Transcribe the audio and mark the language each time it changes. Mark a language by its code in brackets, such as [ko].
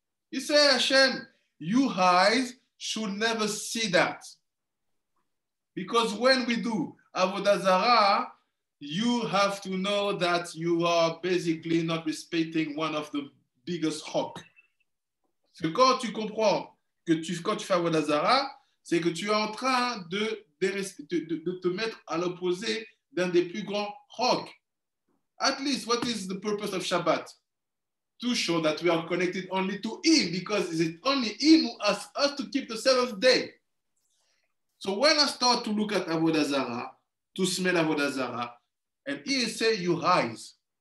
[en] You say, Hashem, you eyes should never see that. Because when we do Avodah Zarah, you have to know that you are basically not respecting one of the biggest hawk. [fr] Parce que quand tu comprends que tu, quand tu fais Avodah Zarah, c'est que tu es en train de te mettre à l'opposé d'un des plus grands hawk. [en] At least, what is the purpose of Shabbat? To show that we are connected only to Him, because it is only Him who asks us to keep the seventh day. So when I start to look at Avodah Zarah, to smell Avodah Zarah, and He say, you rise.